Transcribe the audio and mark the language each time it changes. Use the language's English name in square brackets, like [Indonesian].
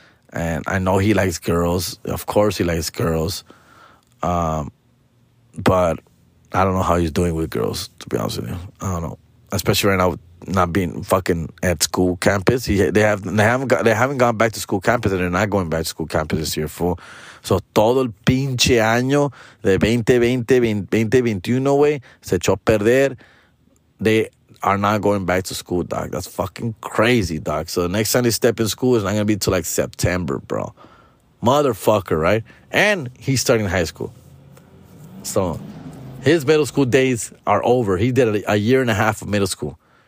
[English] And I know he likes girls. Of course he likes girls. But I don't know how he's doing with girls, to be honest with you. I don't know. Especially right now with not being fucking at school campus. They haven't gone back to school campus and they're not going back to school campus this year, fool. [Spanish] So todo el pinche año de 2020-2021, güey, se echó a perder. [English] They are not going back to school, dog. That's fucking crazy, dog. So the next time they step in school is not going to be until like September, bro. Motherfucker, right? And he's starting high school. So his middle school days are over. He did a year and a half of middle school.